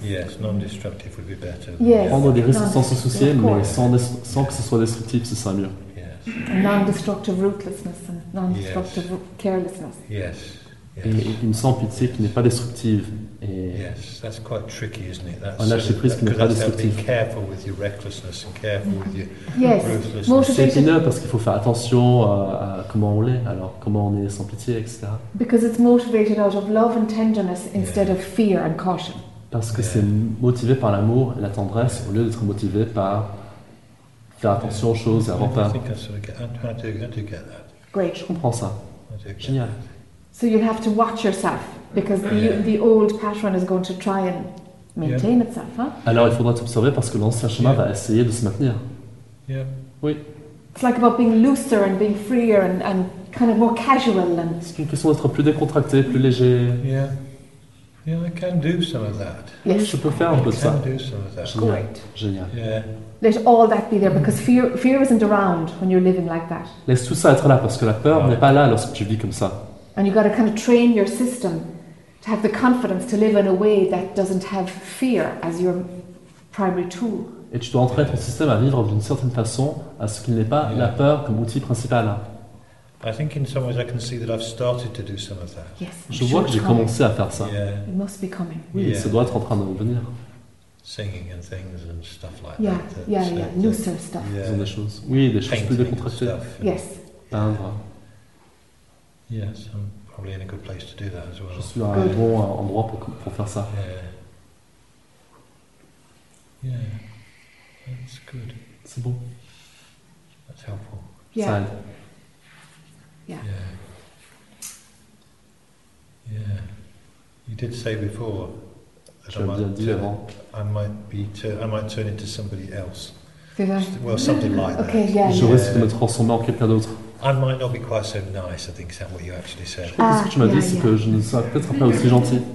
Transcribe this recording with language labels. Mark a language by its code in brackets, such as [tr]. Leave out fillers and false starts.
[en] Yes, non-destructive would be better. Yes. [fr] Prendre des risques sans se soucier, mais sans que ce soit destructif, ce serait mieux. [en] Yes. Non-destructive ruthlessness and non-destructive carelessness. Yes. [fr] Et une sans-pitié qui n'est pas destructive. Et [en] yes, that's quite tricky, isn't it? That's [fr] un lâcher-prise qui n'est pas destructif. [en] Careful with your recklessness and careful with your ruthlessness. [fr] C'est épineux parce qu'il faut faire attention à comment on l'est, alors comment on est sans-pitié, etc. [en] Because it's motivated out of love and tenderness instead of fear and caution. [fr] Parce que c'est motivé par l'amour et la tendresse au lieu d'être motivé par faire attention aux choses et avoir peur. [en] I think I sort of get that. Great. [fr] Je comprends ça. Génial. [en] So you'll have to watch yourself. Because the old pattern is going to try and maintain itself, huh? [fr] Alors il faudra t'observer parce que l'ancien chemin va essayer de se maintenir. [en] Yeah. [fr] Oui. [en] It's like about being looser and being freer and kind of more casual and. [fr] C'est une question d'être plus décontracté, plus léger. [en] Yeah. Yeah, I can do some of that. Yes. [fr] Je peux faire un peu de ça. [en] I can do some of that. [fr] Génial. Great. Génial. [en] Yeah. Let all that be there because fear isn't around when you're living like that. [fr] Laisse tout ça être là parce que la peur n'est pas là lorsque tu vis comme ça. [en] And you got to kind of train your system to have the confidence to live in a way that doesn't have fear as your primary tool. [fr] Et tu dois entraîner ton système à vivre d'une certaine façon à ce qu'il n'ait pas la peur comme outil principal. [en] I think in some ways I can see that I've started to do some of that. Yes. [fr] Je vois que j'ai commencé à faire ça. [en] Yeah. It must be coming. [fr] Oui, ça doit être en train de revenir. [en] Singing and things and stuff like looser stuff. [fr] Yeah. Ce sont des choses. Oui, des choses plus décontractées. [en] Yes. [fr] Peindre. [en] Yes, I'm probably in a good place to do that as well. [fr] Je suis à un bon endroit pour faire ça. [en] Yeah. That's good. [fr] C'est bon. [en] That's helpful. Yeah. [fr] Ça aide. [en] Yeah. You did say before that I might turn into somebody else. Just, well, something like that. Okay, [fr] Je risque de me transformer en quelqu'un d'autre. [en] I might not be quite so nice, I think, is that what you actually said? [fr] Je crois que ce que tu m'as dit, c'est que je ne serais peut-être pas aussi gentil.